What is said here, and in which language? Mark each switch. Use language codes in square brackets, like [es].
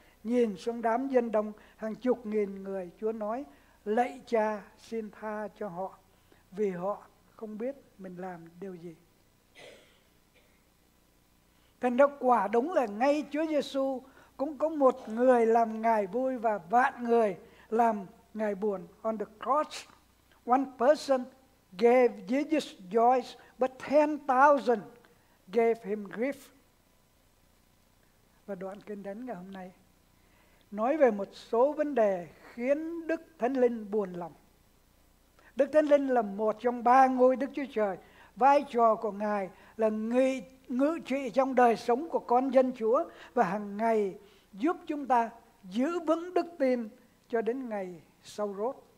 [vi] Nhìn xuống đám dân đông hàng chục nghìn người, Chúa nói: lạy Cha, xin tha cho họ vì họ không biết mình làm điều gì. Thành ra quả đúng là ngay Chúa Giêsu cũng có một người làm Ngài vui và vạn người làm Ngài buồn. [en] On the cross, one person gave Jesus joy, but 10,000 gave him grief. [vi] Và đoạn kinh thánh ngày hôm nay nói về một số vấn đề khiến Đức Thánh Linh buồn lòng. Đức Thánh Linh là một trong ba ngôi Đức Chúa Trời. Vai trò của Ngài là ngự trị trong đời sống của con dân Chúa và hàng ngày giúp chúng ta giữ vững đức tin cho đến ngày sau rốt.